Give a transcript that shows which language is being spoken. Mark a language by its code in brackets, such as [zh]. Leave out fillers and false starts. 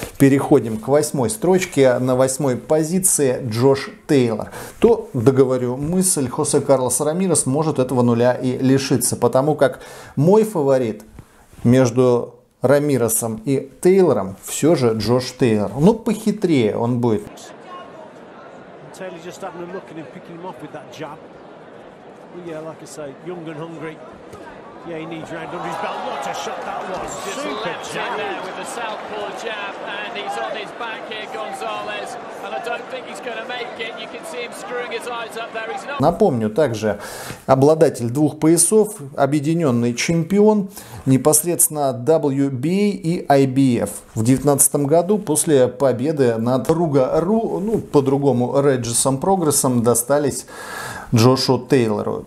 [ru] Переходим к 8-й строчке. На 8-й позиции Джош Тейлор. То, договорю мысль, Хосе Карлос Рамирес может этого нуля и лишиться. Потому как мой фаворит между Рамиресом и Тейлором все же Джош Тейлор. Ну, похитрее он будет. [en] Taylor just having a look at him, picking him off with that jab. But yeah, like I say, young and hungry. Yeah, he needs round under his belt. What a shot that was. Just super left jab there with the southpaw jab. And he's on his back here, Gonzalez. And I don't think he's going to make it. You can see him screwing his eyes up there. He's not... [ru] Напомню, также обладатель двух поясов, объединенный чемпион, непосредственно WBA и IBF. В 2019 году после победы над Руга Ру, ну, по-другому Реджисом Прогрессом, достались Джошу Тейлору.